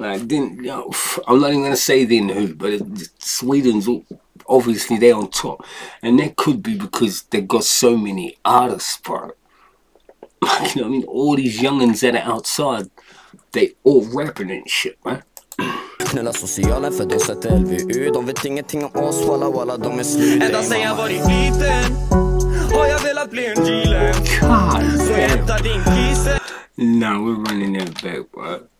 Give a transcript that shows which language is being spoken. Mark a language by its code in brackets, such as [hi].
[en] Like, then, you know, I'm not even gonna say then who, but Sweden's all, obviously they're on top. And that could be because they've got so many artists, bro. You know what I mean? All these youngins that are outside, they all rapping and shit, man. [sv] Snälla socialen för det sätter LVU. De vet ingenting om oss, walla walla, de är slut. Ända sen jag varit liten har jag velat bli en G-Lan. Så jag hämtar din kisse. [en] Nah, we're running that back, bro.